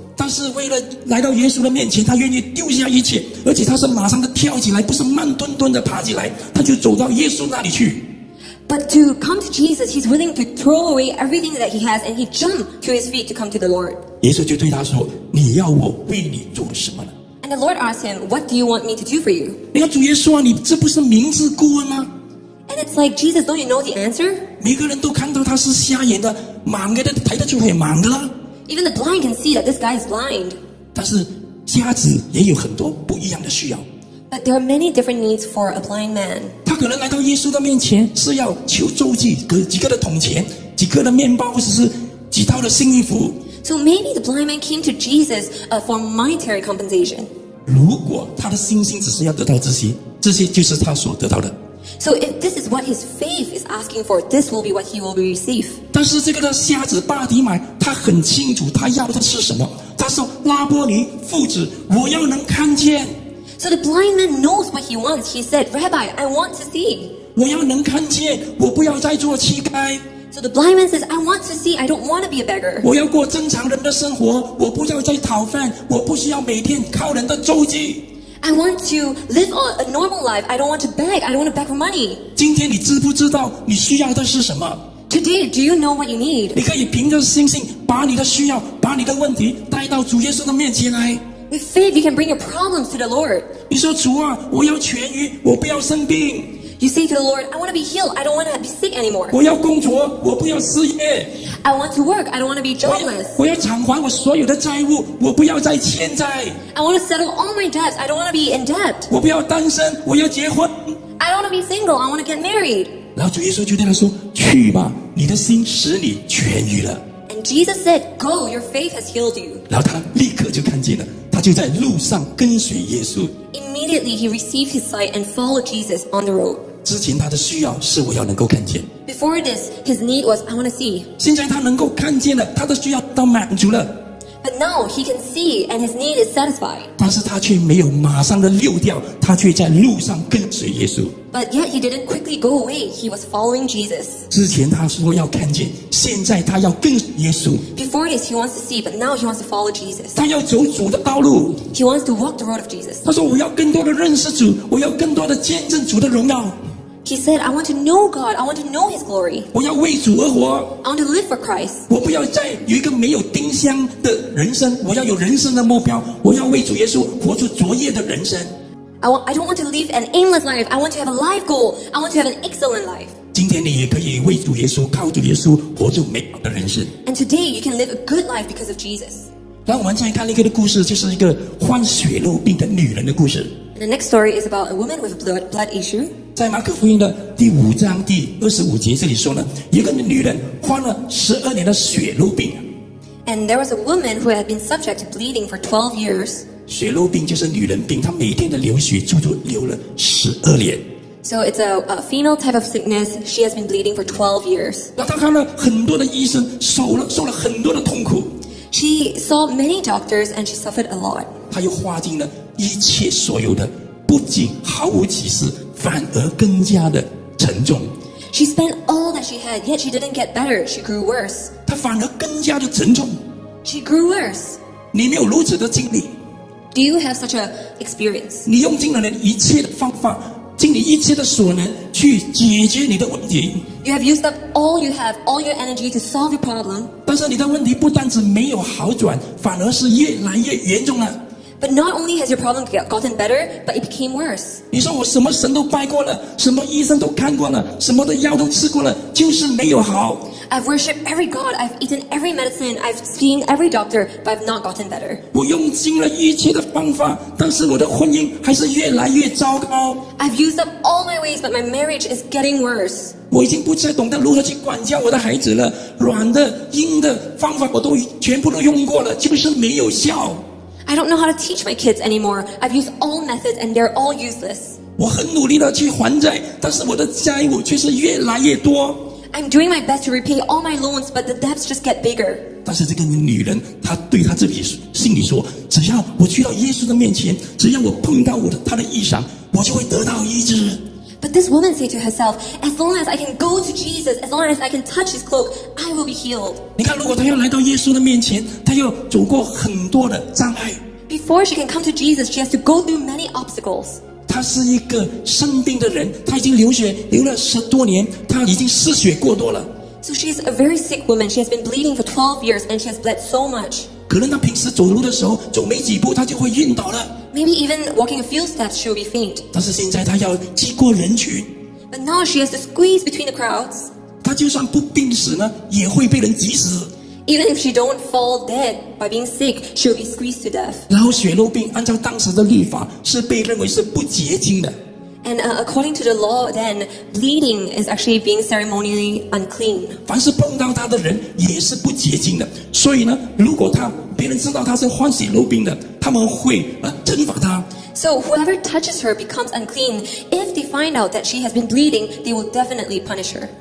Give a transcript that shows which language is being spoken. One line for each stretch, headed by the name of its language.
Chinese: 但是为了来到耶稣的面前，他愿意丢下一切，而且他是马上的跳起来，不是慢吞吞的爬起来，他就走到耶稣那里去。
English: But to come to Jesus, he's willing to throw away everything that he has, and he jumped to his feet to come to the Lord.
Chinese: 耶稣就对他说，你要我为你做什么呢？
English: And the Lord asked him, what do you want me to do for you?
Chinese: 你看主耶稣啊，你这不是明知故问吗？
English: And it's like, Jesus, don't you know the answer?
Chinese: 每个人都看到他是瞎眼的，盲的，抬得出来盲的了。
English: Even the blind can see that this guy is blind.
Chinese: 但是瞎子也有很多不一样的需要。
English: But there are many different needs for a blind man.
Chinese: 他可能来到耶稣的面前是要求周济几个的铜钱，几个的面包，或者是几套的新衣服。
English: So maybe the blind man came to Jesus for monetary compensation.
Chinese: 如果他的信心只是要得到这些，这些就是他所得到的。
English: So if this is what his faith is asking for, this will be what he will receive.
Chinese: 但是这个的瞎子巴迪买，他很清楚他要的是什么。他说：“拉波尼，父子，我要能看见。”
English: So the blind man knows what he wants. He said, "Rabbi, I want to see."
Chinese: 我要能看见，我不要再做乞丐。
English: So the blind man says, "I want to see. I don't want to be a beggar."
Chinese: 我要过正常人的生活，我不要再讨饭，我不需要每天靠人的周济。
English: I want to live a normal life. I don't want to beg. I don't want to beg for money.
Chinese: 今天你知不知道你需要的是什么？
English: Today, do you know what you need?
Chinese: 你可以凭着信心把你的需要，把你的问题带到主耶稣的面前来。
English: With faith, you can bring your problems to the Lord.
Chinese: 你说主啊，我要痊愈，我不要生病。
English: You say to the Lord, I want to be healed. I don't want to be sick anymore.
Chinese: 我要工作，我不要失业。
English: I want to work. I don't want to be jobless.
Chinese: 我要偿还我所有的债务，我不要再欠债。
English: I want to settle all my debts. I don't want to be in debt.
Chinese: 我不要单身，我要结婚。
English: I don't want to be single. I want to get married.
Chinese: 然后主耶稣就对他说去吧你的心使你痊愈了
English: And Jesus said go your faith has healed you
Chinese: 然后他立刻就看见了他就在路上跟随耶稣
English: Immediately he received his sight and followed Jesus on the road
Chinese: 之前他的需要是我要能够看见
English: Before this his need was I want to see
Chinese: 现在他能够看见了他的需要得到满足了
English: But no, he can see and his need is satisfied.
Chinese: 但是他却没有马上的溜掉，他却在路上跟随耶稣。
English: But yet he didn't quickly go away. He was following Jesus.
Chinese: 之前他说要看见，现在他要跟耶稣。
English: Before this, he wants to see, but now he wants to follow Jesus.
Chinese: 他要走主的道路。
English: He wants to walk the road of Jesus.
Chinese: 他说我要更多的认识主，我要更多的见证主的荣耀。
English: He said, I want to know God. I want to know His glory.
Chinese: 我要为主而活。
English: I want to live for Christ.
Chinese: 我不要再有一个没有丁香的人生。我要有人生的目标。我要为主耶稣活出卓越的人生。
English: I don't want to live an aimless life. I want to have a life goal. I want to have an excellent life.
Chinese: 今天你也可以为主耶稣，靠主耶稣活出美好的人生。
English: And today you can live a good life because of Jesus.
Chinese: 让我们再看另一个故事，就是一个患血漏病的女人的故事。
English: The next story is about a woman with a blood issue.
Chinese: 在马可福音的第五章第二十五节这里说呢，一个女人患了十二年的血漏病。
English: And there was a woman who had been subject to bleeding for 12 years.
Chinese: 血漏病就是女人病，她每天的流血足足流了十二年。
English: So it's a female type of sickness. She has been bleeding for 12 years.
Chinese: 那她看了很多的医生，受了很多的痛苦。
English: She saw many doctors and she suffered a lot.
Chinese: 她又花尽了一切所有的，不仅毫无起色。反而更加的沉重
English: She spent all that she had Yet she didn't get better She grew worse
Chinese: 她反而更加的沉重
English: She grew worse
Chinese: 你没有如此的经历
English: Do you have such an experience?
Chinese: 你用尽了一切的方法尽你一切的所能去解决你的问题
English: You have used up all you have All your energy to solve your problem
Chinese: 但是你的问题不但是没有好转反而是越来越严重了
English: But not only has your problem gotten better, but it became worse.
Chinese: 你说我什么神都拜过了，什么医生都看过了，什么的药都吃过了，就是没有好。
English: I've worshipped every God, I've eaten every medicine, I've seen every doctor, but I've not gotten better.
Chinese: 我用尽了一切的方法，但是我的婚姻还是越来越糟糕。
English: I've used up all my ways, but my marriage is getting worse.
Chinese: 我已经不再懂得如何去管教我的孩子了，软的、硬的方法我都全部都用过了，就是没有效。
English: I don't know how to teach my kids anymore. I've used all methods and they're all useless.
Chinese: 我很努力地去还债，但是我的债务却是越来越多。
English: I'm doing my best to repay all my loans, but the debts just get bigger.
Chinese: 但是这个女人，她对她自己心里说，只要我去到耶稣的面前，只要我碰到他的衣裳，我就会得到医治。
English: But this woman said to herself, as long as I can go to Jesus, as long as I can touch his cloak, I will be healed.
Chinese: 你看，如果她要来到耶稣的面前，她要走过很多的障碍。
English: Before she can come to Jesus, she has to go through many obstacles.
Chinese: 她是一个生病的人，她已经流血流了十多年，她已经失血过多了。
English: So she is a very sick woman. She has been bleeding for 12 years and she has bled so much.
Chinese: 可能她平时走路的时候，走没几步，她就会晕倒了。
English: Maybe even walking a few steps, she will be faint.
Chinese: 但是现在她要挤过人群。
English: But now she has to squeeze between the crowds.
Chinese: 她就算不病死呢，也会被人挤死。
English: Even if she don't fall dead by being sick, she will be squeezed to death.
Chinese: 然后血漏病按照当时的律法是被认为是不洁净的。
English: And according to the law, then bleeding is actually being ceremonially unclean.
Chinese: 凡是碰到她的人也是不洁净的。所以呢，如果她别人知道她是患血漏病的，他们会惩罚她。
English: So whoever touches her becomes unclean. If they find out that she has been bleeding, they will definitely punish her.